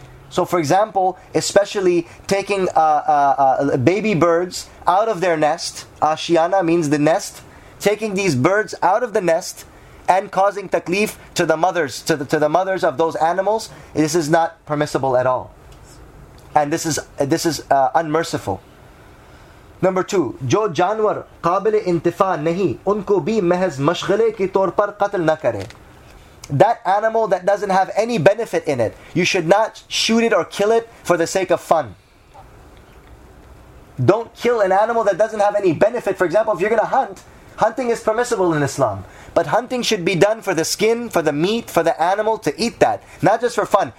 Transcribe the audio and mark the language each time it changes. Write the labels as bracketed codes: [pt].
[en] So for example, especially taking baby birds out of their nest, ashiana means the nest, taking these birds out of the nest and causing taklif to the mothers, to the mothers of those animals, this is not permissible at all. And this is unmerciful. [ur] Number two, جو جانور قابل انتفاع نہیں ان کو بھی محض مشغلے کی طور پر قتل نہ کریں. [en] That animal that doesn't have any benefit in it, you should not shoot it or kill it for the sake of fun. Don't kill an animal that doesn't have any benefit. For example, if you're going to hunt, hunting is permissible in Islam. But hunting should be done for the skin, for the meat, for the animal to eat that. Not just for fun.